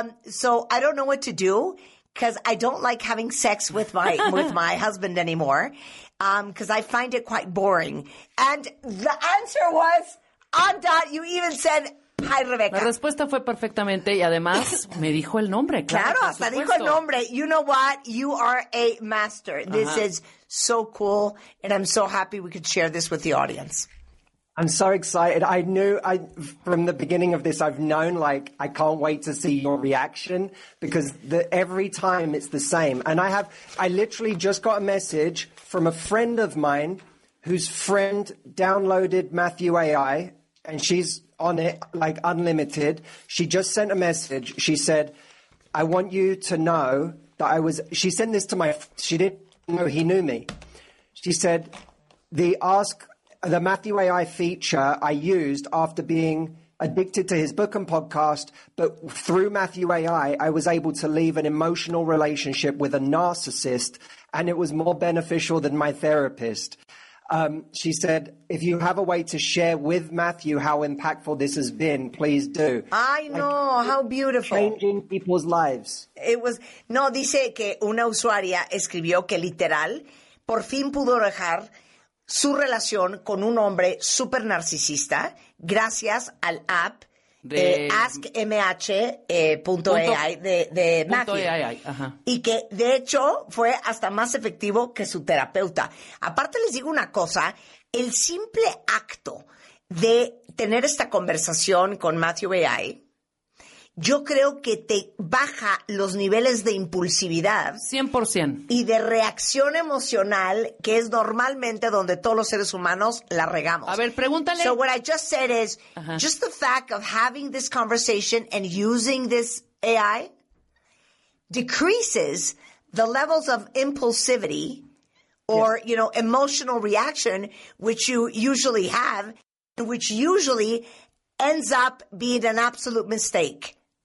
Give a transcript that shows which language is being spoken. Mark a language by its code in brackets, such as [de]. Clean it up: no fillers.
[en] So I don't know what to do because I don't like having sex with my husband anymore because I find it quite boring." And the answer was, "On dot." You even said, "Hi, Rebecca." [es] La respuesta fue perfectamente y además me dijo el nombre. Claro, claro, hasta dijo el nombre. [en] You know what? You are a master. This is so cool, and I'm so happy we could share this with the audience. I'm so excited. I knew from the beginning of this, I've known, like, I can't wait to see your reaction because every time it's the same. And I literally just got a message from a friend of mine whose friend downloaded Matthew AI, and she's on it, like, unlimited. She just sent a message. She said, "I want you to know that I was," she sent this to my, she did, no, he knew me. She said, the Matthew AI feature I used after being addicted to his book and podcast, but through Matthew AI, I was able to leave an emotional relationship with a narcissist, and it was more beneficial than my therapist. She said, if you have a way to share with Matthew how impactful this has been, please do. I know, like, how beautiful. Changing people's lives. It was, [es] no, dice que una usuaria escribió que literal, por fin pudo dejar su relación con un hombre super narcisista gracias al app de AskMH.ai de Matthew. AI, ajá. Y que, de hecho, fue hasta más efectivo que su terapeuta. Aparte, les digo una cosa. El simple acto de tener esta conversación con Matthew AI, yo creo que te baja los niveles de impulsividad. 100%. Y de reacción emocional, que es normalmente donde todos los seres humanos la regamos. A ver, pregúntale. [en] So what I just said is, just the fact of having this conversation and using this AI decreases the levels of impulsivity or, you know, emotional reaction, which you usually have, which usually ends up being an absolute mistake.